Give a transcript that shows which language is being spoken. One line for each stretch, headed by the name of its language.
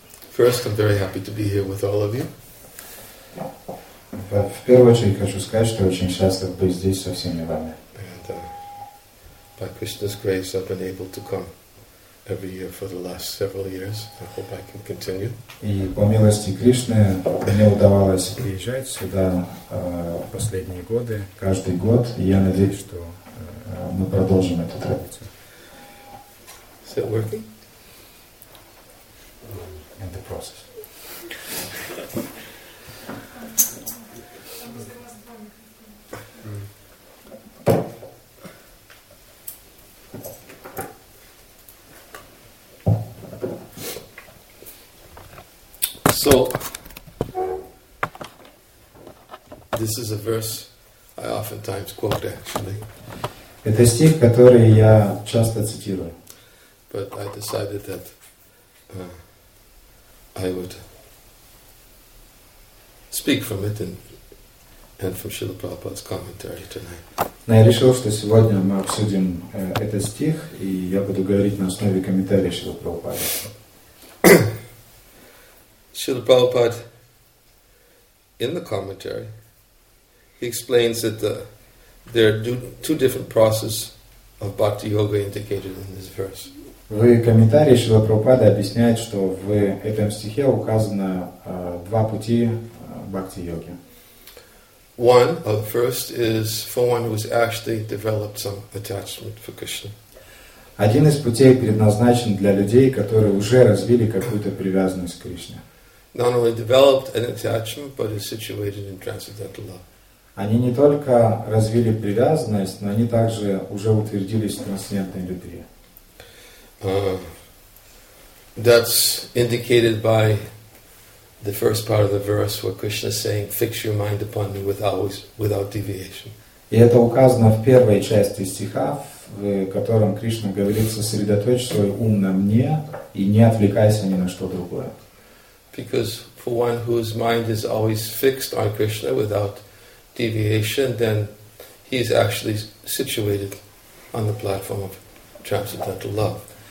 English: First, I'm very happy to be here with all of you.
Russian: В первую очередь хочу сказать, что очень счастлив быть здесь со всеми вами.
English: And, by Krishna's grace, I've been able to come every year for the last several years. I hope I can continue.
Russian: И по милости Кришны мне удавалось приезжать сюда последние годы, каждый год, и я надеюсь, что мы продолжим эту традицию.
English: Is it working? In the process. So, this is a verse I oftentimes quote, actually.
Russian: Это стих, который я часто цитирую.
English: But I decided that I would speak from it and from Srila Prabhupada's commentary tonight.
Russian: Но я решил, что сегодня мы обсудим этот стих, и я буду говорить на основе комментария Шрила Прабхупады.
English: Srila Prabhupada, in the commentary, he explains that there are two different processes of bhakti yoga indicated in this verse.
Russian: В комментарии Шрила Прабхупада объясняет, что в этом стихе указано два пути бхакти йоги.
English: One, the first is for one who has actually developed some attachment for Krishna.
Russian: Один из путей предназначен для людей, которые уже развили какую-то привязанность к Кришне.
English: Not only developed an attachment, but is situated in transcendental love.
Russian: Они не только развили привязанность, но они также уже утвердились в трансцендентной любви.
English: That's indicated by the first part of the verse where Krishna is saying, "Fix your mind upon me without deviation."
Russian: И это указано в первой части стиха, в котором Кришна говорит: "Сосредоточь свой ум на мне и не отвлекайся ни на что другое."
English: Because for one whose mind is always fixed on Krishna without deviation, then he is actually situated on the platform of transcendental love.